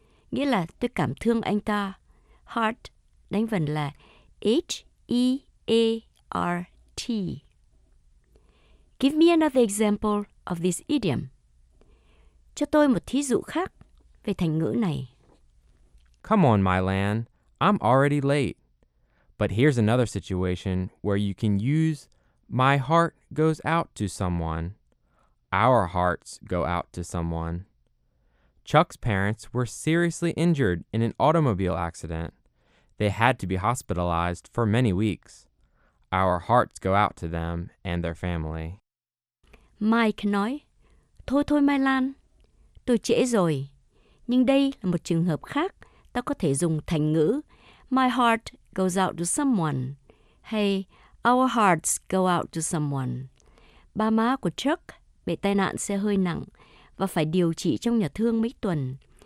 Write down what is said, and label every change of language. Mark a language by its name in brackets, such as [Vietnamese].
[Vietnamese] Nghĩa là tôi cảm thương anh ta. Heart đánh vần là H-E-A-R-T. [English] Give me another example of this idiom. [Vietnamese] Cho tôi một thí dụ khác về thành ngữ này. [English] Come on, Mylan. I'm already late. But here's another situation where you can use my heart goes out to someone. Our hearts go out to someone. Chuck's parents were seriously injured in an automobile accident. They had to be hospitalized for many weeks. Our hearts go out to them and their family. [Vietnamese] Mike nói, Thôi thôi Mai Lan, tôi trễ rồi. Nhưng đây là một trường hợp khác, ta có thể dùng thành ngữ [English] My heart goes out to someone. Hey, our hearts go out to someone. [Vietnamese] Ba má của Chuck bị tai nạn xe hơi nặng và phải điều trị trong nhà thương mấy tuần.